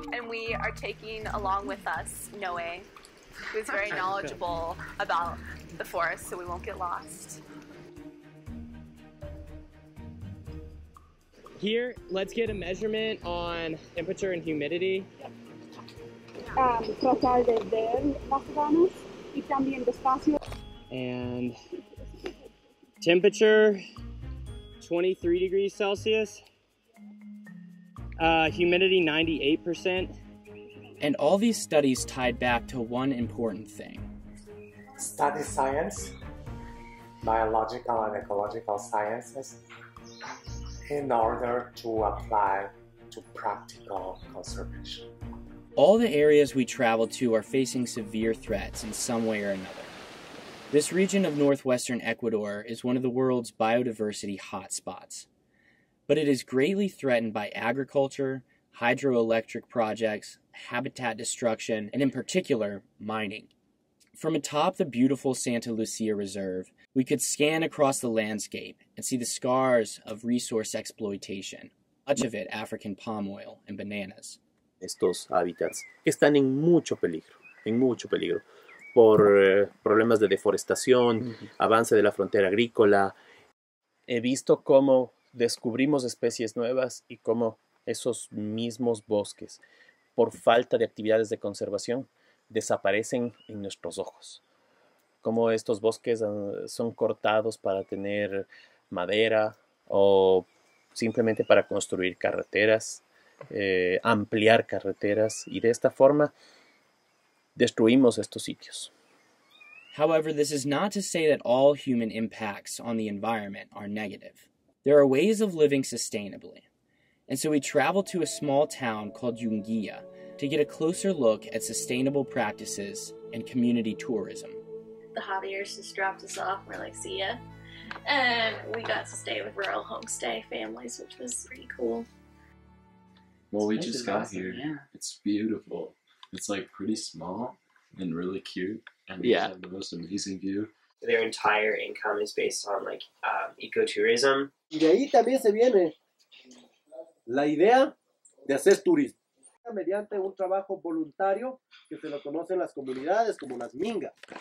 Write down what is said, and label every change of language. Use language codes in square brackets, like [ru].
[en] And we are taking along with us Noe, who's very knowledgeable about the forest, so we won't get lost. Here, let's get a measurement on temperature and humidity. [es] Tratar de ver las ranas y también despacio. [en] And temperature, 23 degrees Celsius. Humidity, 98%. And all these studies tied back to one important thing. Study science, biological and ecological sciences, in order to apply to practical conservation. All the areas we travel to are facing severe threats in some way or another. This region of northwestern Ecuador is one of the world's biodiversity hotspots. But it is greatly threatened by agriculture, hydroelectric projects, habitat destruction, and in particular, mining. From atop the beautiful Santa Lucia Reserve, we could scan across the landscape and see the scars of resource exploitation, much of it African palm oil and bananas. [es] Estos hábitats están en mucho peligro, por problemas de deforestación, avance de la frontera agrícola. He visto cómo descubrimos especies nuevas y cómo esos mismos bosques, por falta de actividades de conservación, desaparecen en nuestros ojos. Cómo estos bosques son cortados para tener madera o simplemente para construir carreteras. Ampliar carreteras, y de esta forma destruimos estos sitios. [en] However, this is not to say that all human impacts on the environment are negative. There are ways of living sustainably, and so we travel to a small town called Yungia to get a closer look at sustainable practices and community tourism. The Javiers just dropped us off. We're like, see ya. And we got to stay with rural homestay families, which was pretty cool. Well, it's just got awesome. Here. Yeah. It's beautiful. It's like pretty small and really cute. And yeah. It's like the most amazing view. Their entire income is based on like ecotourism. [es] Y de ahí también se viene la idea de hacer turismo. Mediante un trabajo voluntario que se lo conocen las comunidades como las mingas.